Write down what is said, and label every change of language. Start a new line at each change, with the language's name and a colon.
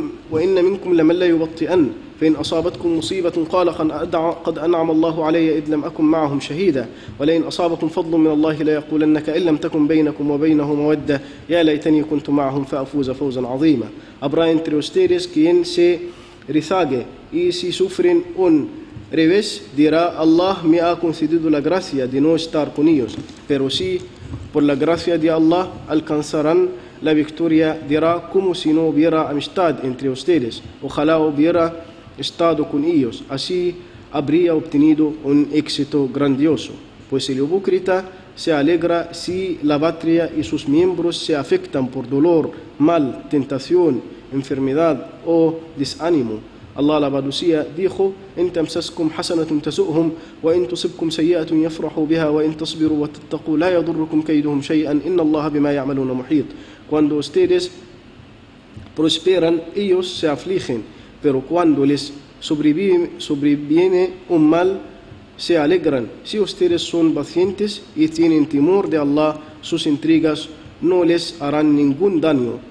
Arabic: وإن منكم لمن لا يبطئن فإن أصابتكم مصيبة قال قد أنعم الله علي إذ لم أكن معهم شهيدا ولئن أصابكم فضل من الله ليقولنك إن لم تكن بينكم وبينه مودة يا ليتني كنت معهم فأفوز فوزا عظيما.
Spanish: Habrá entre ustedes quien se rezague y si sufren un revés dirá Allah me ha concedido la gracia de no estar con ellos, pero si por la gracia de Allah alcanzarán la victoria dirá como si no hubiera amistad entre ustedes, ojalá hubiera estado con ellos, así habría obtenido un éxito grandioso. Pues el hipócrita se alegra si la patria y sus miembros se afectan por dolor, mal, tentación, enfermedad o desánimo. Allah la Badusía dijo,
Arabic: إن تمسسكم حسنة تسؤهم وإن تصبكم سيئة يفرحوا بها وإن تصبروا وتتقوا لا يضركم كيدهم شيئا إن الله بما يعملون محيط.
Spanish: Cuando ustedes prosperan, ellos se afligen, pero cuando les sobreviene un mal, se alegran. Si ustedes son pacientes y tienen temor de Allah, sus intrigas no les harán ningún daño.